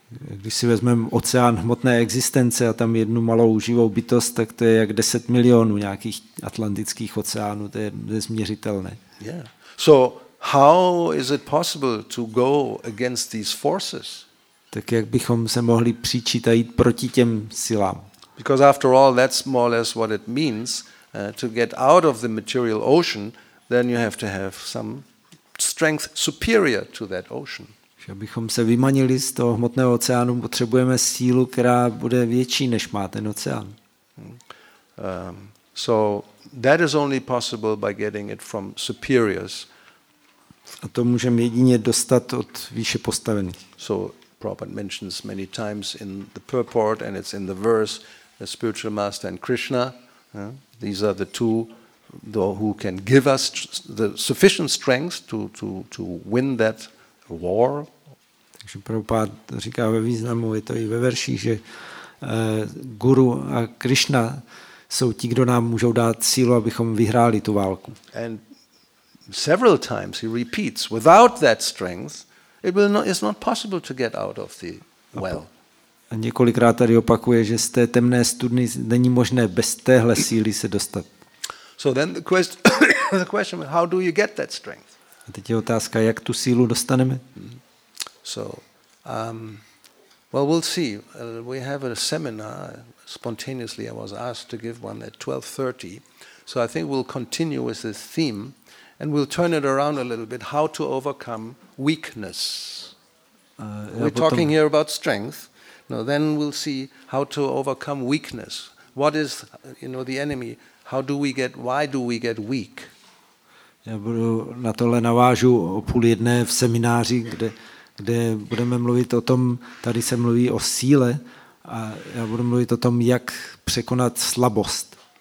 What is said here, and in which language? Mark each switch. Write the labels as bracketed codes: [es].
[cs] Když si vezmeme oceán hmotné existence a tam jednu malou živou bytost, tak to je jak 10 milionů nějakých atlantických oceánů, to je nezměřitelné. [en] Yeah. So how is it possible to go against these forces? [cs] Tak jak bychom se mohli přičít a jít proti těm silám? [en] Because after all that's more or less what it means to get out of the material ocean, then you have to have some strength superior to that ocean. [cs] Abychom se vymanili z toho hmotného oceánu, potřebujeme sílu, která bude větší, než má ten oceán. [en] So that is only possible by getting it from superiors. [cs] A to můžeme jedině dostat od výše postavených. [en] So Prabhupada mentions many times in the purport and it's in the verse, the spiritual master and Krishna. These are the two who can give us the sufficient strength to win that war. [cs] Takže Prabhupád říká ve významu, je to i ve verších, že Guru a Krishna jsou ti, kdo nám můžou dát sílu, abychom vyhráli tu válku. [en] And several times he repeats, without that strength, It's not possible to get out of the well. [cs] A několikrát tady opakuje, že z té temné studny není možné bez téhle síly se dostat. [en] So then the question is, how do you get that strength? [cs] A teď je otázka, jak tu sílu dostaneme? [en] So, we'll see. We have a seminar. Spontaneously, I was asked to give one at 12:30. So I think we'll continue with this theme, and we'll turn it around a little bit. How to overcome weakness? We're talking here about strength. No, then we'll see how to overcome weakness. What is, the enemy? How do we get? Why do we get weak? [cs] Já budu na tohle navážu o půl jedné v semináři, kde budeme mluvit o tom, tady se mluví o síle, a já budu mluvit o tom, jak překonat slabost.